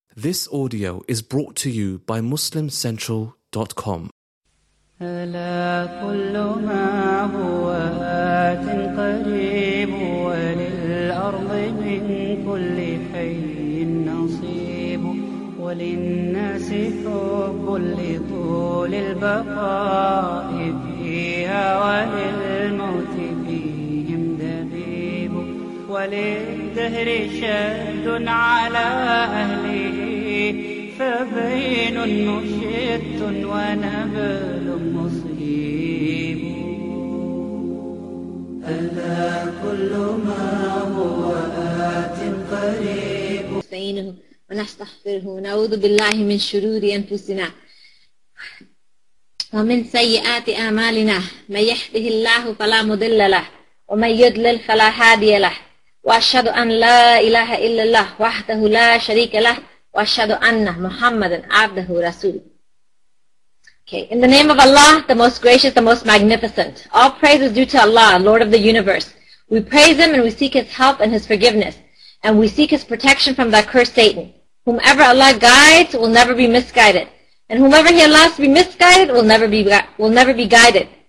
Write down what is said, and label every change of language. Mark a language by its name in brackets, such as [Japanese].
[English] This audio is brought to you by MuslimCentral.com. [Arabic] ألا كل ما هو آت قريب وللأرض من كل حي نصيب وللناس حب لطول البقاء فيها وللموت فيهم دبيب وللدهر شد على أهله فبين مشت ونبل مصيب ألا كل ما هو آت قريب نستعينه ونستغفره ونعوذ بالله من شرور أنفسنا ومن سيئات أعمالنا من يهده الله فلا مضل له ومن يضلل فلا هادي له وأشهد أن لا إله إلا الله وحده لا شريك له وأشهد أن محمدا عبده ورسوله. [English] Okay, in the name of Allah, the most gracious, the most magnificent, all praise is due to Allah, Lord of the universe. We praise Him and we seek His help and His forgiveness, and we seek His protection from the accursed Satan. Whomever Allah guides will never be misguided, and whomever He allows to be misguided will never be guided.